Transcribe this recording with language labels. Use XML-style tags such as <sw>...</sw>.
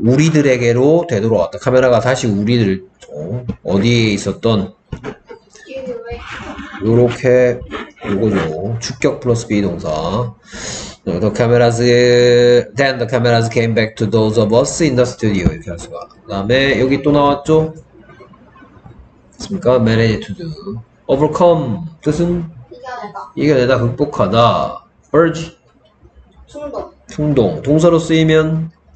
<ko>우리들에게로 되돌아왔다. 카메라가 다시 우리들 또 어디에 있었던 요렇게 요거죠. 주격 플러스 비 동사.</ko> <en>Then the cameras came back to those of us in the studio.</en> <ko>이렇게 할 수가. 그 다음에 여기 또 나왔죠? 맞습니까?</ko> <en>Manage to do. Overcome.</en> <ko>뜻은? 이겨내다, 극복하다. Urge. 충동. 충동. 동사로 쓰이면?</ko>